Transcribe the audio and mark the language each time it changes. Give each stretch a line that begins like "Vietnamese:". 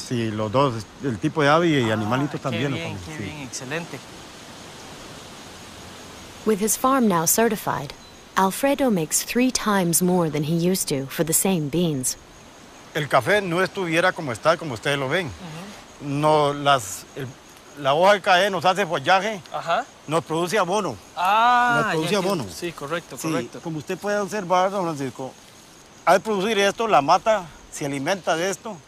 Spanish: Sí, los dos, el tipo de ave y animalito también. Qué bien, qué bien, excelente.
English: With his farm now certified, Alfredo makes 3 times more than he used to for the same beans.
Spanish: El café no estuviera como está, como ustedes lo ven. No, las, la hoja de café nos hace follaje. Nos produce abono. Nos produce abono. Sí, correcto, correcto. Sí, como usted puede observar, don Francisco, al producir esto, la mata se alimenta de esto.